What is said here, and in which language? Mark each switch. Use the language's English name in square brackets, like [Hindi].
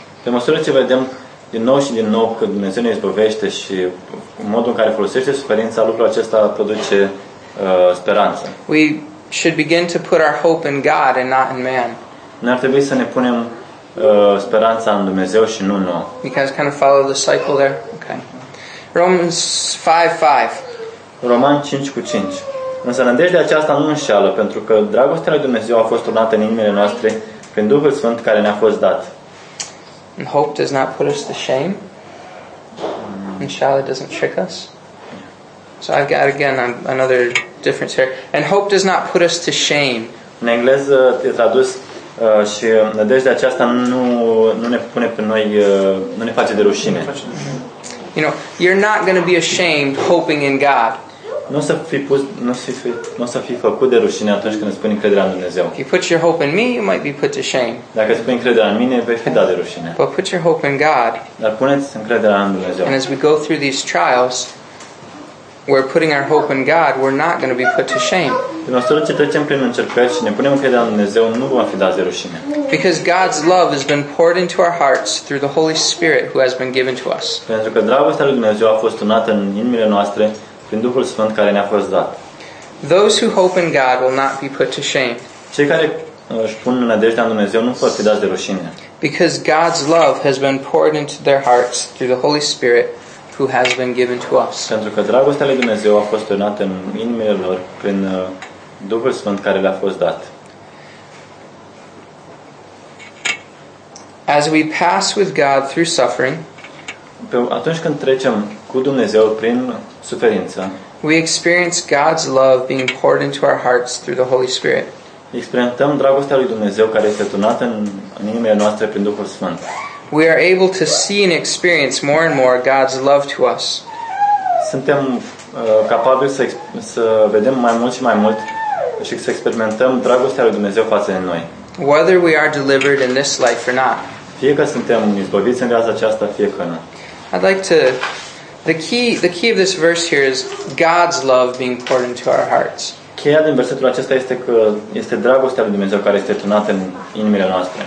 [Romanian] Pe măsură ce vedem din nou și din nou că Dumnezeu ne izbăvește și modul în care folosește suferința, lucrul acesta produce speranță. [English] We should begin to put our hope in God and not in man. [Romanian] Noi ar trebui să ne punem speranța în Dumnezeu și nu în om. [English] You guys kind of follow the cycle there? Okay. Romans 5:5. Roman 5:5. [Romanian] Însă nădejdea aceasta nu înșeală, pentru că dragostea lui Dumnezeu a fost turnată în inimile noastre prin Duhul Sfânt care ne-a fost dat. [English] And hope does not put us to shame. And shallow doesn't trick us. So I've got again another difference here. And hope does not put us to shame. [Romanian] În engleză e tradus și nădejdea aceasta nu ne pune pe noi nu ne face de rușine. [English] You know, you're not going to be ashamed hoping in God. [Romanian] Nu o să fii făcut de rușine atunci când îți pui încrederea în Dumnezeu. [English] If you put your hope in me, you might be put to shame. [Romanian] Dacă îți pui încrederea în mine, vei fi dat de rușine. [English] But put your hope in God. [Romanian] Dar pune-ți încrederea în Dumnezeu. [English] And as we go through these trials, we're putting our hope in God, we're not going to be put to shame. [Romanian] Pe măsură ce trecem prin încercări și ne punem încrederea în Dumnezeu, nu vom fi dat de rușine. [English] Because God's love has been poured into our hearts through the Holy Spirit who has been given to us. [Romanian] Pentru că dragostea lui Dumnezeu a fost turnată în inimile noastre prin Duhul Sfânt care ne-a fost dat. [English] Those who hope in God will not be put to shame. [Romanian] Cei care își pun nădejdea în Dumnezeu nu vor fi dați de rușine. [English] Because God's love has been poured into their hearts through the Holy Spirit who has been given to us. [Romanian] Pentru că dragostea lui Dumnezeu a fost turnată în inimile lor prin Duhul Sfânt care le-a fost dat. [English] As we pass with God through suffering, [Romanian] atunci când trecem cu Dumnezeu prin suferință. [English] We experience God's love being poured into our hearts through the Holy Spirit. [Romanian] Experimentăm dragostea lui Dumnezeu care este turnată în inimile noastre prin Duhul Sfânt. [English] We are able to see and experience more and more God's love to us. [Romanian] Suntem capabili să vedem mai mult și mai mult și să experimentăm dragostea lui Dumnezeu față de noi. [English] Whether we are delivered in this life or not. [Romanian] Fie că suntem izbăviți în viața aceasta, fie că nu. [English] I'd like to the key of this verse here is God's love being poured into our hearts. [Romanian] Cheia din versetul acesta este că este dragostea lui Dumnezeu care este turnată în inimile noastre.